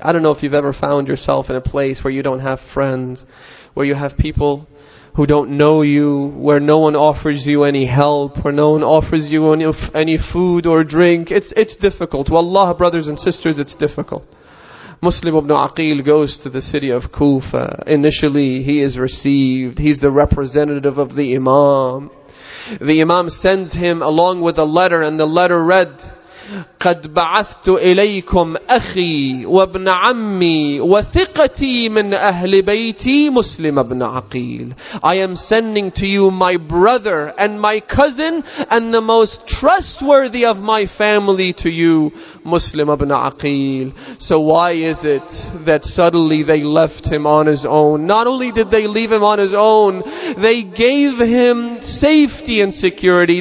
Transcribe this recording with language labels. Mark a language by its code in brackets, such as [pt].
[en] I don't know if you've ever found yourself in a place where you don't have friends, where you have people who don't know you, where no one offers you any help, where no one offers you any food or drink. It's difficult. Wallah, brothers and sisters, it's difficult. Muslim ibn Aqil goes to the city of Kufa. Initially, he is received. He's the representative of the Imam. The Imam sends him along with a letter, and the letter read, [ar] قَدْ بَعَثْتُ إِلَيْكُمْ أَخِي وَابْنَ عَمِّي وَثِقَتِي مِنْ أَهْلِ بَيْتِي مُسْلِمَ ابْنَ عَقِيلٍ. [en] I am sending to you my brother and my cousin and the most trustworthy of my family to you, Muslim ibn Aqil. So why is it that suddenly they left him on his own? Not only did they leave him on his own, they gave him safety and security.